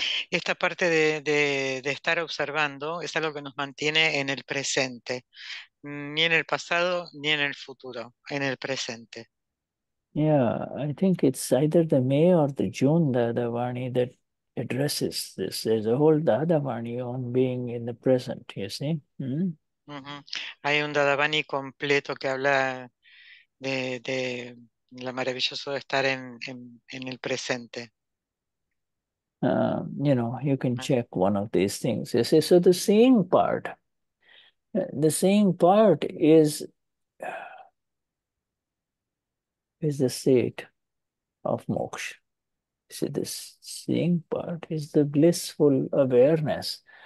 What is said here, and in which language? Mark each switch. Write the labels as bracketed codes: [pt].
[es] Esta parte de estar observando es algo que nos mantiene en el presente. Ni en el pasado, ni en el futuro. En el presente. [en] Yeah, I think it's either the May or the June Dadavani that addresses this. There's a whole Dadavani on being in the present, you see. Mm-hmm. Uh-huh. [es] Hay un Dadavani completo que habla de lo maravilloso de estar en el presente. [en] You know, you can check one of these things. You see, so the seeing part is the state of moksha. See, the seeing part is the blissful awareness